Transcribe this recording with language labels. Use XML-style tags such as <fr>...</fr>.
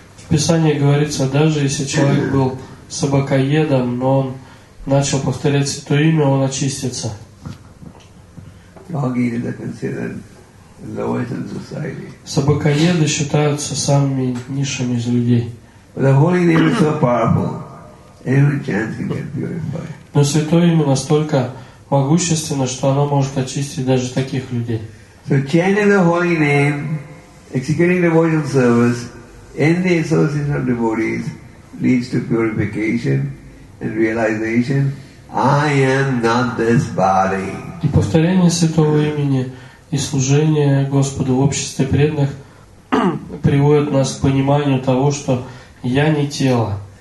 <ru>В Писании говорится, даже если человек был собакоедом, но он начал повторять Святое Имя, он очистится.</ru> <en>Dog eaters are considered lowest in society.</en> <ru>Собакоеды считаются самыми низшими из людей.</ru> <en>But the holy name is so powerful, every chance can get purified.</en> <ru>Но Святое Имя настолько могущественно, что оно может очистить даже таких людей.</ru> <en>So chanting the holy name, executing devotional service in the association of devotees leads to purification and realization. I am not this body.</en> <ru>И повторение Святого Имени и служение Господу в обществе преданных приводит нас к пониманию того, что я не тело.</ru>